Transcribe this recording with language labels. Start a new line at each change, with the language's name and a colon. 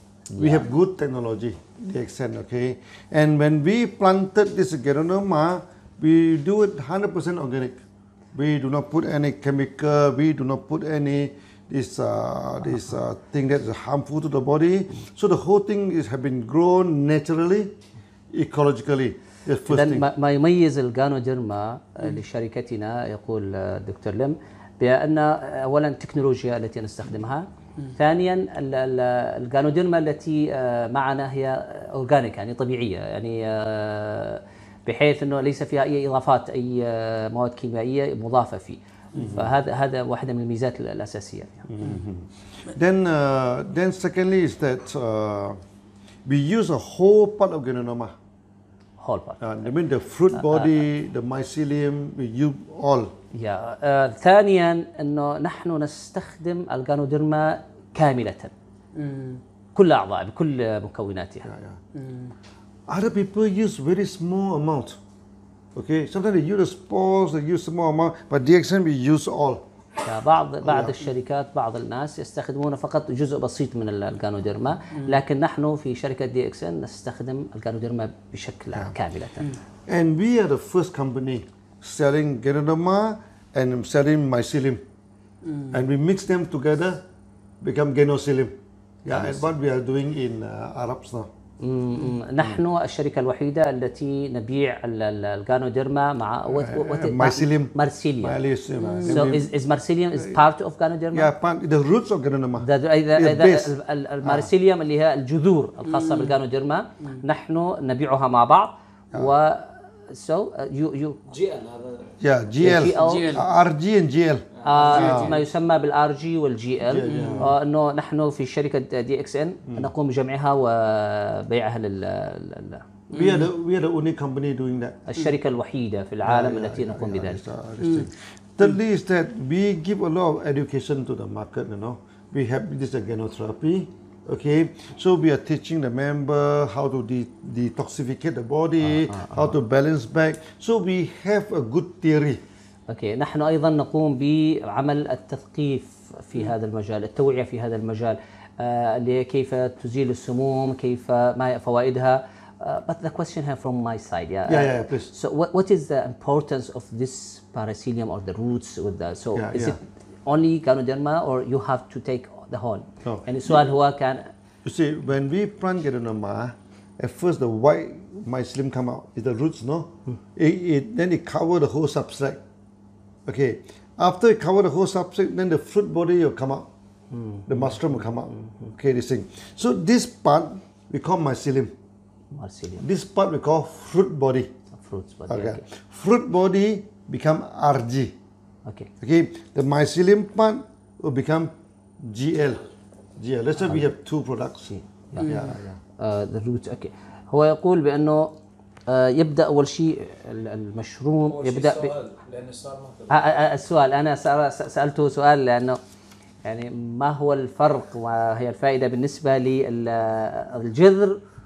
English: Yeah. We have good technology. The essence. Okay. And when we planted this Ganoderma, we do it 100% organic. We do not put any chemical. We do not put any this thing that is harmful to the body. So the whole thing is have been grown naturally, ecologically. The first thing.
Arabic: ما يميز الغانوديرما لشركتنا يقول دكتور ليم بأن أولا التكنولوجيا التي نستخدمها، ثانيا الغانوديرما التي معنا هي أورجانيك يعني طبيعية يعني بحيث انه ليس فيها اي اضافات اي مواد كيميائيه مضافه فيه. فهذا واحده من الميزات الاساسيه.
English: Then secondly is that we use a whole part of Ganoderma. Whole part. I mean the fruit body, the mycelium, we use all. Yeah.
Arabic: ثانيا انه نحن نستخدم الغانوديرما كامله. كل اعضاء بكل مكوناتها.
English: Yeah, yeah. Other people use very small amount, okay. Sometimes they use spores, they use small amount, but DXN we use all.
Arabic: بعض الشركات بعض الناس يستخدمون فقط جزء بسيط من الغانوديرما، لكن نحن في شركة DXN نستخدم الغانوديرما بشكل كاملة.
English: And we are the first company selling Ganoderma and selling mycelium, and we mix them together, become Ganoderma. Yeah, and what we are doing in Arabs now.
Arabic: نحن الشركة الوحيدة التي نبيع الغانوديرما مع مارسيليوم. مارسيليوم.
English: So is mycelium is part of Ganoderma? Yeah, part the roots of Ganoderma.
Arabic: إذا المارسيليوم اللي هي الجذور الخاصة بالغانوديرما نحن نبيعها مع بعض.
English: و so you GL
Arabic: هذا.
English: Yeah, GL. RG and GL.
Arabic: ما يسمى بالار جي والجي ال، انه نحن في شركه دي اكس ان نقوم بجمعها وبيعها لل
English: we are the only company doing that.
Arabic: الشركه الوحيده في العالم التي نقوم بذلك.
English: The least that we give a lot of education to the market, you know. We have this genotherapy, okay. So we are teaching the member how to detoxificate the body, how to balance back. So we have a good theory. Okay.
Arabic: نحن أيضا نقوم بعمل التثقيف في هذا المجال، التوعية في هذا المجال، كيف تزيل السموم، كيف ما فوائدها.
English: But the question here from my side, yeah, please. So what is the importance of this paracelium or the roots with the so yeah, is yeah. it only Ganoderma or you have to take the whole? No.
Arabic: And السؤال هو كان.
English: You see, when we plant Ganoderma, at first the white mycelium come out, is the roots, no? Then it cover the whole substrate. Okay, after you cover the whole substrate, then the fruit body will come out, the mushroom will come out. Okay, this thing. So this part we call mycelium. Mycelium. This part we call fruit body. Fruit body. Okay. Fruit body become RG. Okay. Okay. The mycelium part will become GL. GL. Let's say we have two products. Yeah. The roots. Okay.
Arabic: هو يقول بأنه يبدأ أول شيء المشروم يبدأ السؤال أنا سألته سؤال لأنه يعني ما هو الفرق وهي الفائدة بالنسبة للجذر